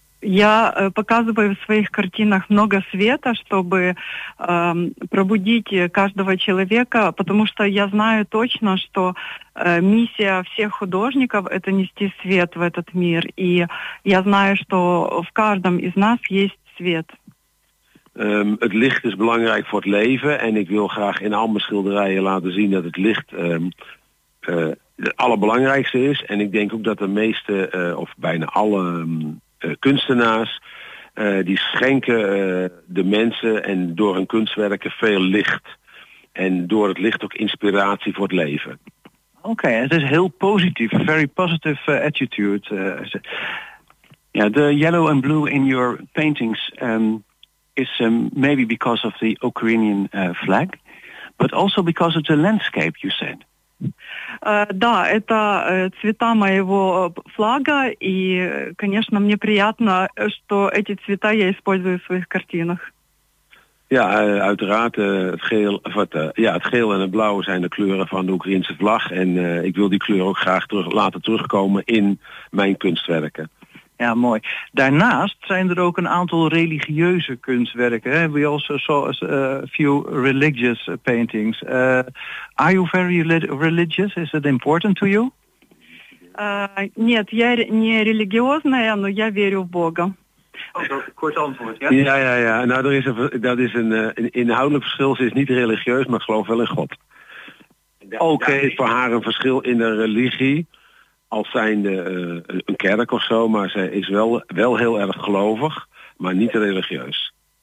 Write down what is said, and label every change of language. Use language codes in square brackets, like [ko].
[ru] Я показываю в своих картинах много света, чтобы пробудить каждого человека, потому что я знаю точно, что миссия всех художников – это нести свет в этот мир. И я знаю, что в каждом из нас есть свет. [nl] Het licht is belangrijk voor het leven. En ik wil graag in al mijn schilderijen laten zien dat het licht het allerbelangrijkste is. En ik denk ook dat de meeste, of bijna alle kunstenaars, die schenken de mensen en door hun kunstwerken veel licht. En door het licht ook inspiratie voor het leven. Oké, het is heel positief. [en] Very positive attitude. Yeah, the yellow and blue in your paintings is maybe because of the Ukrainian flag, but also because of the landscape, you said. [ru] Да, это цвета моего флага, и, конечно, мне приятно, что эти цвета я использую в своих картинах. [nl] Ja, uiteraard. Het geel en het blauw zijn de kleuren van de Oekraïense vlag. En ik wil die kleur ook graag laten terugkomen in mijn kunstwerken. Ja, mooi. Daarnaast zijn er ook een aantal religieuze kunstwerken. [en] Hè? We also saw a few religious paintings. Are you very religious? Is it important to you? [ru] Нет, я не религиозная, но я верю в Бога. [nl] Oh, kort antwoord, ja? Ja, ja, ja. Nou, dat is een inhoudelijk verschil. Ze is niet religieus, maar gelooft wel in God. Oké. Okay. Het is voor haar een verschil in de religie, als zijnde een kerk of zo, maar ze is wel heel erg gelovig, maar niet religieus.